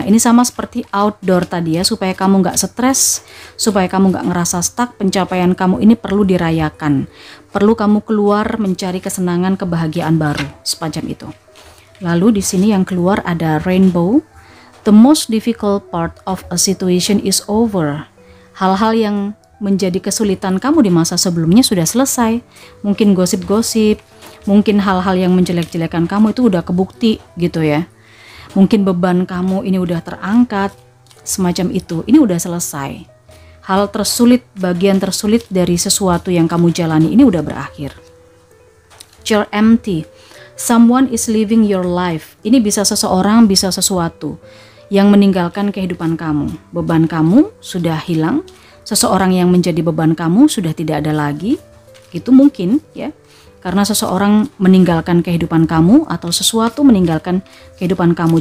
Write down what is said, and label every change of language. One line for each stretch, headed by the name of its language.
Indonesian: Nah, ini sama seperti outdoor tadi ya, supaya kamu gak stres, supaya kamu gak ngerasa stuck, pencapaian kamu ini perlu dirayakan. Perlu kamu keluar mencari kesenangan, kebahagiaan baru, sepanjang itu. Lalu di sini yang keluar ada rainbow.
English: The most difficult part of a situation is over.
Indonesian: Hal-hal yang menjadi kesulitan kamu di masa sebelumnya sudah selesai. Mungkin gosip-gosip, mungkin hal-hal yang menjelek-jelekan kamu itu udah kebukti gitu ya. Mungkin beban kamu ini udah terangkat, semacam itu. Ini udah selesai. Hal tersulit, bagian tersulit dari sesuatu yang kamu jalani ini udah berakhir.
English: You're empty. Someone is leaving your life.
Indonesian: Ini bisa seseorang, bisa sesuatu yang meninggalkan kehidupan kamu. Beban kamu sudah hilang. Seseorang yang menjadi beban kamu sudah tidak ada lagi. Itu mungkin ya. Karena seseorang meninggalkan kehidupan kamu atau sesuatu meninggalkan kehidupan kamu.